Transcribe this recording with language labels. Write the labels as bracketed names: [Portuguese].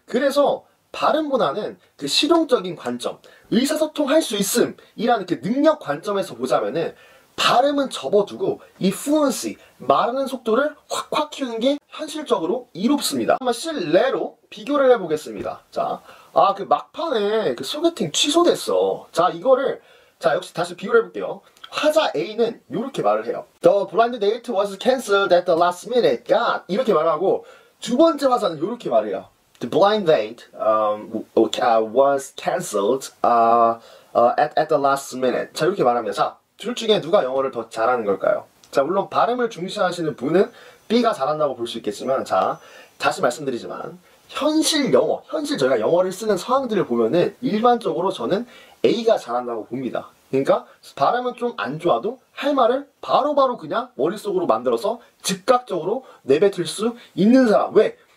[Korean] 그래서 발음보다는 그 실용적인 관점, 의사소통할 수 있음이라는 그 능력 관점에서 보자면은 발음은 접어두고 이 fluency, 말하는 속도를 확확 키우는 게 현실적으로 이롭습니다. 한번 실례로 비교를 해보겠습니다. 자, 아, 그 막판에 그 소개팅 취소됐어. 자, 이거를, 자, 역시 다시 비교를 해볼게요. 화자 A는 이렇게 말을 해요. [English] The blind date was cancelled at the last minute. [Korean] 야, 이렇게 말하고, 두 번째 화자는 이렇게 말해요. [English] The blind date was cancelled at the last minute. [Korean] 자, 이렇게 말합니다. 자, 둘 중에 누가 영어를 더 잘하는 걸까요? 자, 물론 발음을 중시하시는 분은 B가 잘한다고 볼 수 있겠지만, 자, 다시 말씀드리지만, 현실 영어, 현실 저희가 영어를 쓰는 상황들을 보면은 일반적으로 저는 A가 잘한다고 봅니다. 그러니까 발음은 좀안 좋아도 할 말을 바로바로 그냥 머릿속으로 만들어서 즉각적으로 내뱉을 수 있는 사람. 왜?